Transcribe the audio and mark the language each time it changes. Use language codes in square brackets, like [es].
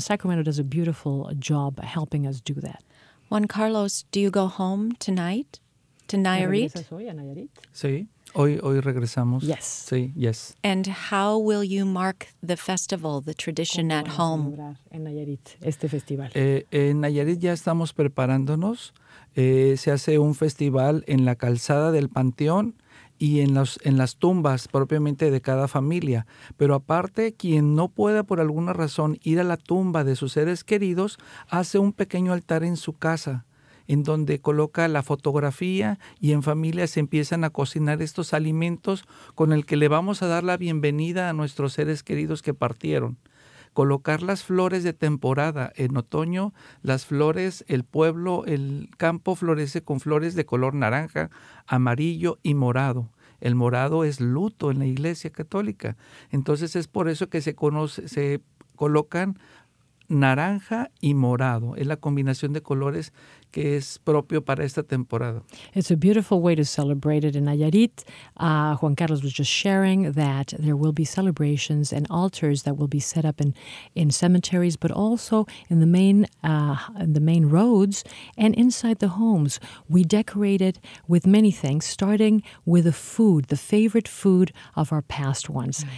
[en] And Sacramento does a beautiful job helping us do that. Juan Carlos, do you go home tonight to Nayarit? [es] Sí. Hoy regresamos. [en] Yes. [es] Sí, yes. [en] And how will you mark the festival, the tradition at home? [es] En Nayarit, este festival. En Nayarit ya estamos preparándonos. Se hace un festival en la calzada del panteón y en las tumbas propiamente de cada familia. Pero aparte, quien no pueda por alguna razón ir a la tumba de sus seres queridos, hace un pequeño altar en su casa, en donde coloca la fotografía y en familia se empiezan a cocinar estos alimentos con el que le vamos a dar la bienvenida a nuestros seres queridos que partieron. Colocar las flores de temporada en otoño, las flores, el pueblo, el campo florece con flores de color naranja, amarillo y morado. El morado es luto en la Iglesia Católica. Entonces es por eso que se colocan naranja y morado. Es la combinación de colores que es propio para esta temporada. [en] It's a beautiful way to celebrate it in Nayarit. Juan Carlos was just sharing that there will be celebrations and altars that will be set up in cemeteries, but also in the main roads and inside the homes. We decorate it with many things, starting with the food, the favorite food of our past ones.